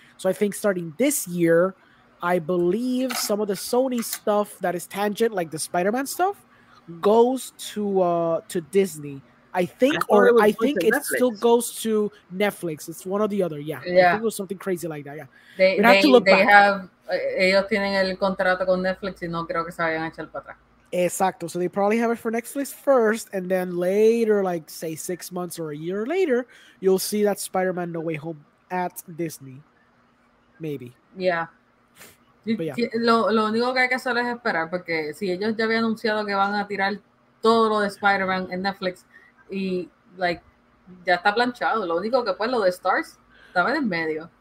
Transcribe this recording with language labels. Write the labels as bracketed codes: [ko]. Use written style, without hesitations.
[en] So I think starting this year, I believe some of the Sony stuff that is tangent, like the Spider-Man stuff, goes to Disney. I think it still goes to Netflix. It's one or the other. Yeah. I think it was something crazy like that. Yeah. [es] Ellos tienen el contrato con Netflix y no creo que se vayan a echar para atrás. Exacto. [en] So they probably have it for Netflix first, and then later, like say 6 months or a year later, you'll see that Spider-Man No Way Home at Disney. Maybe. Yeah. [es] Lo único que hay que hacer es esperar, porque si ellos ya habían anunciado que van a tirar todo lo de Spider-Man en Netflix y like ya está planchado, lo único que pues lo de Stars estaba en medio.